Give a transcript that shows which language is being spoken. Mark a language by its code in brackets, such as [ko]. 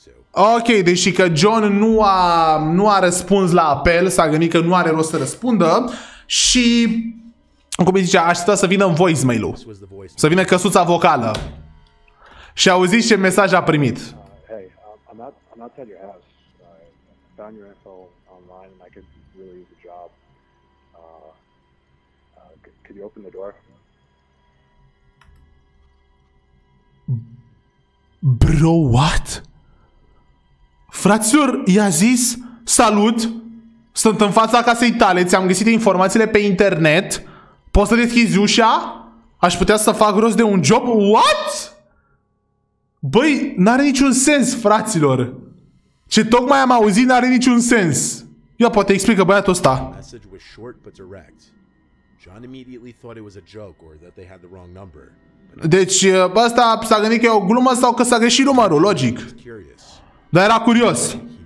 [ro] Ok, deși că John nu a răspuns la apel, s-a gândit că nu are rost să răspundă și cum îi zice, aștepta să vină în voicemail-ul. Să vină căsuța vocală. Și auziți ce mesaj a primit. [en] Hey, I'm not at your house. I found your info online and I could really use a job. Could you open the door? Bro, what? [ro] Fraților, i-a zis salut, sunt în fața casei tale, ți-am găsit informațiile pe internet, poți să deschizi ușa? Aș putea să fac rost de un job? [en] What? [ro] Băi, n-are niciun sens, fraților. Ce tocmai am auzit n-are niciun sens. Ia poate explică băiatul ăsta. [en] Message was short but direct. John immediately thought it was a joke or that they had the wrong number. [ro] Deci, ăsta s-a gândit că e o glumă sau că s-a greșit numărul, logic. Dar era curios.